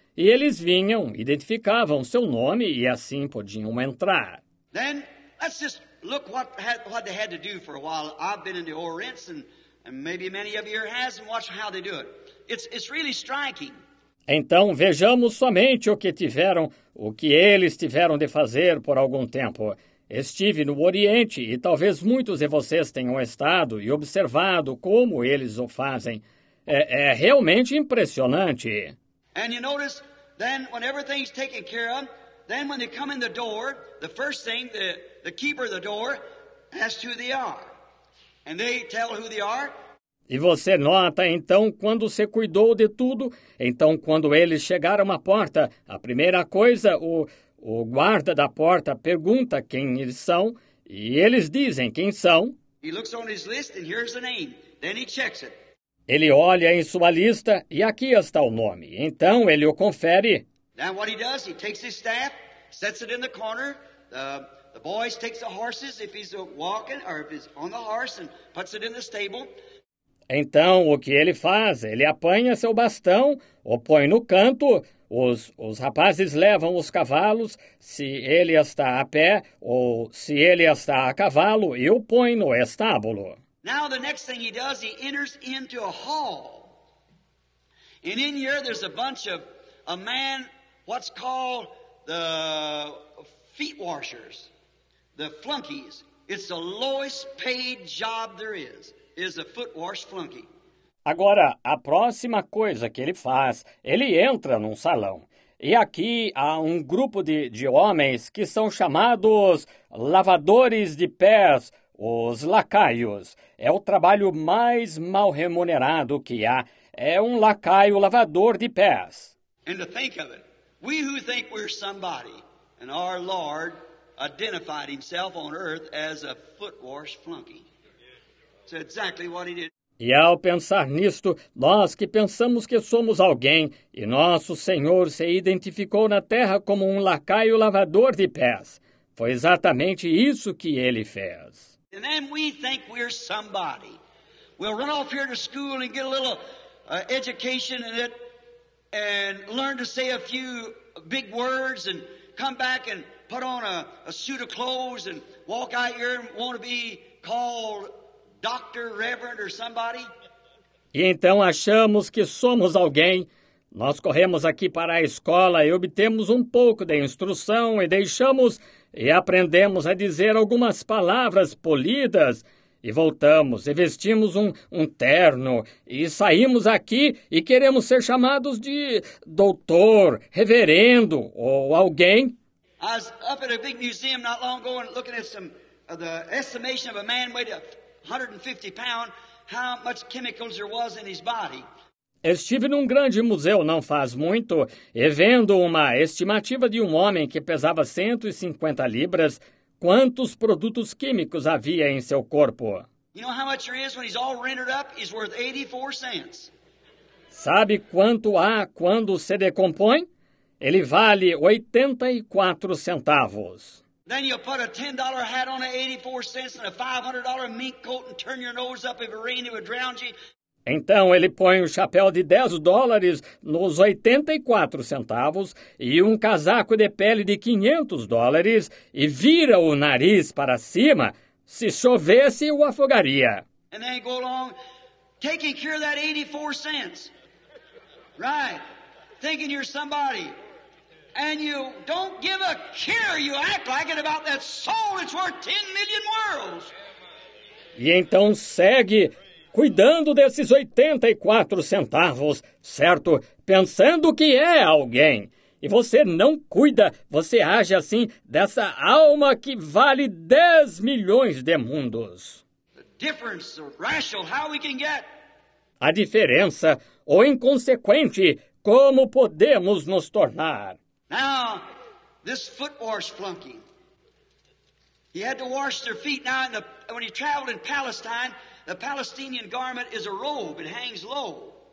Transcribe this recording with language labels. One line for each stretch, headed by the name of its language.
Portuguese: E eles vinham, identificavam seu nome e assim podiam entrar.
English: Then, let's just look what they had to do for a while. I've been in the Orients, and maybe many of you has, and watch how they do it. It's really striking.
Portuguese: Então, vejamos somente o que eles tiveram de fazer por algum tempo. Estive no Oriente e talvez muitos de vocês tenham estado e observado como eles o fazem. É realmente impressionante.
English: And you notice, then, when everything's taken care of, then when they come in the door, the first thing, the keeper of the door asks who they are. And they tell who they are.
Portuguese: E você nota, então, quando se cuidou de tudo, então, quando eles chegaram à porta, a primeira coisa, o guarda da porta pergunta quem eles são, e eles dizem quem são.
English: He looks on his list and here's the name. Then he checks it.
Portuguese: Ele olha em sua lista, e aqui está o nome. Então, ele o confere.
English: Now, what he does, he takes his staff, sets it in the corner, the boys take the horses, if he's walking, or if he's on the horse, and puts it in the stable.
Portuguese: Então, o que ele faz? Ele apanha seu bastão, o põe no canto, os rapazes levam os cavalos, se ele está a pé ou se ele está a cavalo, e o põe no estábulo.
English: Now, the next thing he does, he enters into a hall. And in here, there's a bunch of a man, what's called the feet washers, the flunkies. It's the lowest paid job there is. Is a foot wash flunky.
Portuguese: Agora, a próxima coisa que ele faz, ele entra num salão. E aqui há um grupo de homens que são chamados lavadores de pés, os lacaios. É o trabalho mais mal remunerado que há. É um lacaio lavador de pés.
English: And to think of it, we who think we're somebody, and our Lord identified himself on earth as a foot wash flunky. Exactly what he did.
Portuguese: E ao pensar nisto, nós que pensamos que somos alguém, e nosso Senhor se identificou na terra como um lacaio lavador de pés. Foi exatamente isso que ele fez.
English: And then we think we're somebody. We'll run off here to school and get a little education in it, and learn to say a few big words, and come back and put on a suit of clothes, and walk out here and want to be called Dr. Reverend or somebody.
Portuguese: E então achamos que somos alguém. Nós corremos aqui para a escola e obtemos um pouco de instrução e deixamos e aprendemos a dizer algumas palavras polidas. E voltamos e vestimos um terno e saímos aqui e queremos ser chamados de doutor, reverendo ou alguém.
English: I was up at a big museum not long ago and looking at some of the estimation of a man weighed 150 pounds, how much chemicals there was in his body.
Portuguese: Estive num grande museu não faz muito e vendo uma estimativa de um homem que pesava 150 libras, quantos produtos químicos havia em seu corpo.
English: You know how much there is when he's all rendered up? He's worth 84 cents.
Portuguese: Sabe quanto há quando se decompõe? Ele vale 84 centavos.
English: Then you put a $10 hat on at 84 cents and a $500 mink coat and turn your nose up if it rained it would drown you.
Portuguese: Então ele põe um chapéu de 10 dólares nos 84 centavos e um casaco de pele de 500 dólares e vira o nariz para cima. Se chovesse, o afogaria.
English: And then go along, taking care of that 84 cents. Right. Thinking you're somebody. And you don't give a care, you act like it about that soul that's worth 10 million worlds.
Portuguese: E então segue cuidando desses 84 centavos, certo? Pensando que é alguém. E você não cuida, você age assim, dessa alma que vale 10 milhões de mundos.
English: The difference, the rational, how we can get.
Portuguese: A diferença, ou inconsequente, como podemos nos tornar.
English: Now, this foot wash flunky. He had to wash their feet. Now, when he traveled in Palestine, the Palestinian garment is a robe, it hangs low.